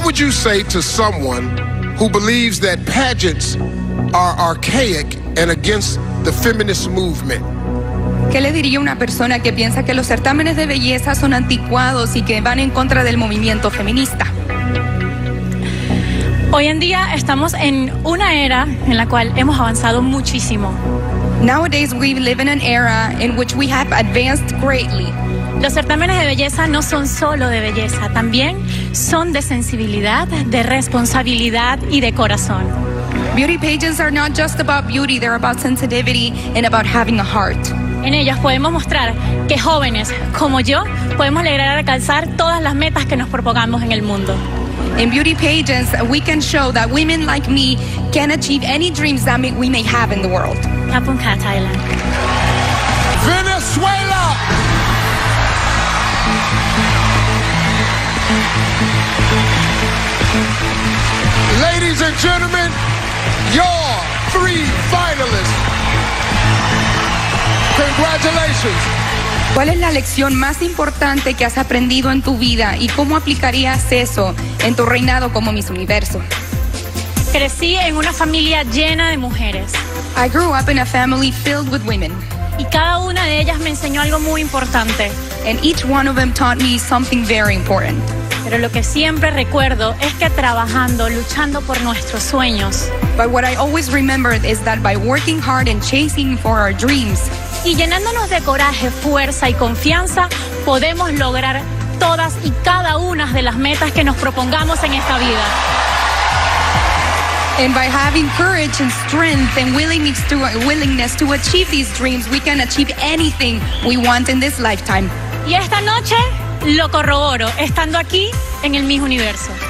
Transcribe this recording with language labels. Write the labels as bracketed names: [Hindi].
[English] Say to someone who believes that pageants are archaic and against the feminist movement. [Spanish] ¿Qué le diría una persona que piensa que los certámenes de belleza son anticuados y que van en contra del movimiento feminista? Hoy en día estamos en una era en la cual hemos avanzado muchísimo. [English] Nowadays we live in an era in which we have advanced greatly. [Spanish] Los certámenes de belleza no son solo de belleza, también son de sensibilidad, de responsabilidad y de corazón. [English] Beauty pages are not just about beauty, they're about sensitivity and about having a heart. [Spanish] En ellas podemos mostrar que jóvenes como yo podemos lograr alcanzar todas las metas que nos propongamos en el mundo. [English] In beauty pages, we can show that women like me can achieve any dreams that we may have in the world. Captain Cat Thailand. Venezuela. Ladies and gentlemen, your three finalists. Congratulations. [Spanish] ¿Cuál es la lección más importante que has aprendido en tu vida y cómo aplicarías eso en tu reinado como Miss Universo? Crecí en una familia llena de mujeres. [English] I grew up in a family filled with women. [Spanish] Y cada una de ellas me enseñó algo muy importante. [English] And each one of them taught me something very important. [Spanish] Pero lo que siempre recuerdo es que trabajando, luchando por nuestros sueños. [English] But what I always remember is that by working hard and chasing for our dreams. [Spanish] Y llenándonos de coraje, fuerza y confianza, podemos lograr todas y cada una de las metas que nos propongamos en esta vida. [English] And by having courage and strength and willingness to achieve these dreams, we can achieve anything we want in this lifetime. [Spanish] Y esta noche lo corroboro estando aquí en el Miss Universo.